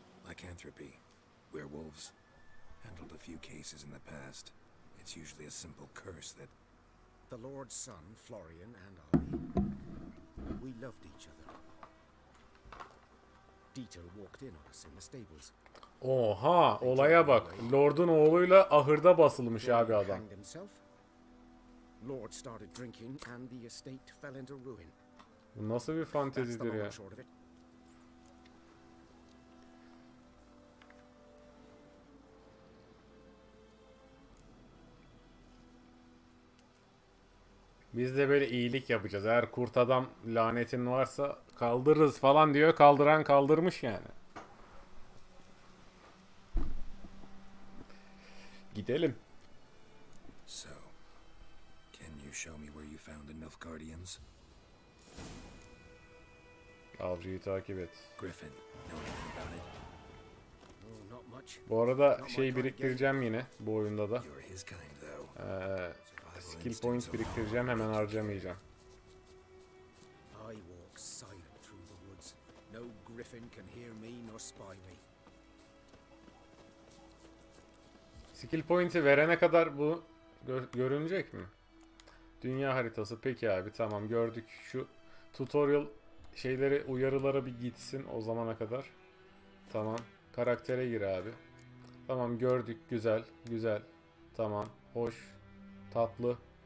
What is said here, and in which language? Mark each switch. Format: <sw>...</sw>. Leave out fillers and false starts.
<en>Lycanthropy. Werewolves. Handled a few cases in the past. It's usually a simple curse that. The Lord's son, Florian, and I. We loved each other. Dieter walked in on us in the stables.</en> <tr>Oha, olaya bak. Lord'un oğluyla ahırda basılmış abi adam.</tr> <en>Lord started drinking and the estate fell into ruin.</en> <tr>Bu nasıl bir fantezidir ya? Biz de böyle iyilik yapacağız. Eğer kurt adam lanetin varsa kaldırırız falan diyor. Kaldıran kaldırmış yani. Gidelim.</tr> <en>So, can you show me where you found the Nilfgaardians?</en> <tr>Avcıyı takip et.</tr> <en>Griffin, know anything about it? Not much.</en> <tr>Bu arada şey biriktireceğim yine bu oyunda da. You're his kind though. Skill points biriktireceğim, hemen harcamayacağım.</tr> <en>I walk silent through the woods. No griffin can hear me nor spy me.</en> <tr>Skill point'i verene kadar bu görünecek mi? Dünya haritası. Peki abi, tamam, gördük. Şu tutorial şeyleri, uyarılara bir gitsin o zamana kadar. Tamam. Karaktere gir abi. Tamam, gördük. Güzel. Güzel. Tamam. Hoş. Tatlı.</tr>